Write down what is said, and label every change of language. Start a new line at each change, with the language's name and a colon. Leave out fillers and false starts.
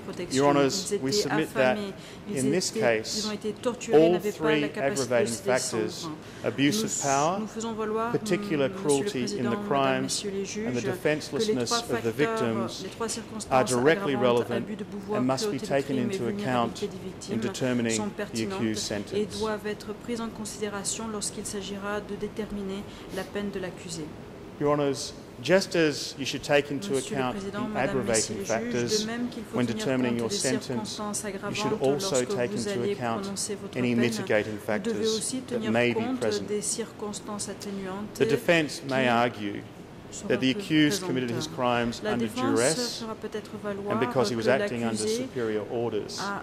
English: Your Honours, we submit that in this case, all three aggravating factors, abuse of power, particular cruelty in the crimes, and the defencelessness of the victims, are directly relevant and must be taken into account in determining the accused's sentence.
French: Et doivent être prises en considération lorsqu'il s'agira de déterminer la peine de l'accusé.
English: Your Honours, just as you should take into account the aggravating factors when determining your sentence, you should also take into account any mitigating factors that may be present. The defence may argue that the accused committed his crimes under duress and because he was acting under superior orders.